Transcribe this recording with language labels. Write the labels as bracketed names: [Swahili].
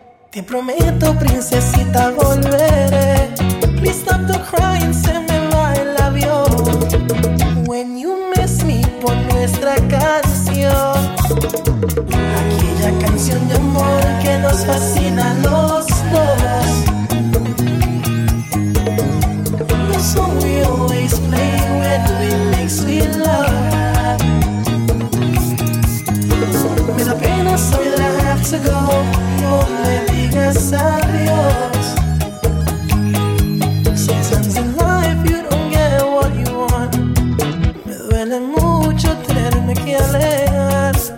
[Spanish] Te prometo, princesita, volveré. [English] Please stop the crying, [Spanish] se me va el avión. [English] When you miss me, [Spanish] pon nuestra canción. Aquella canción de amor que nos fascina a los dos. [English] The song we always play when we make sweet love. [Spanish] Me da pena, [English] so I have to go. [Spanish] No le digas adiós. [English] Sometimes in life you don't get what you want. [Spanish] Me duele mucho tenerme que alejar.